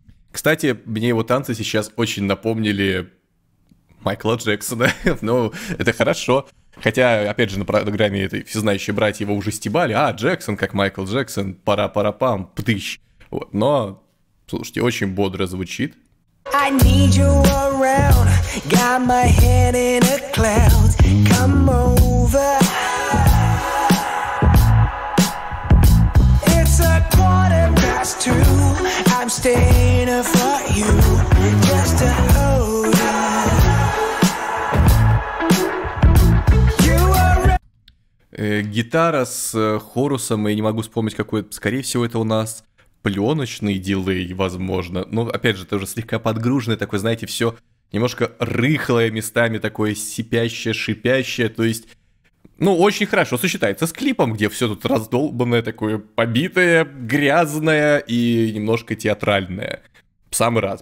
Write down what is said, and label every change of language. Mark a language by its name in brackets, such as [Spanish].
[Russian] Кстати, мне его танцы сейчас очень напомнили Майкла Джексона. Ну, это хорошо. Хотя, опять же, на программе этой всезнающие братья его уже стебали. А, Джексон, как Майкл Джексон, пара-пара-пам, птыщ. Вот. Но, слушайте, очень бодро звучит. [English] I need you around, got my head in a cloud, come over. It's a quarter past two. I'm staying up for you just to hold you. [Russian] Гитара с хорусом, и не могу вспомнить, какой, скорее всего, это у нас пленочный дилей, возможно. Но опять же, это уже слегка подгруженное, такое, знаете, все немножко рыхлое местами, такое сипящее, шипящее, то есть Ну, очень хорошо сочетается с клипом, где все тут раздолбанное, такое побитое, грязное и немножко театральное. В самый раз.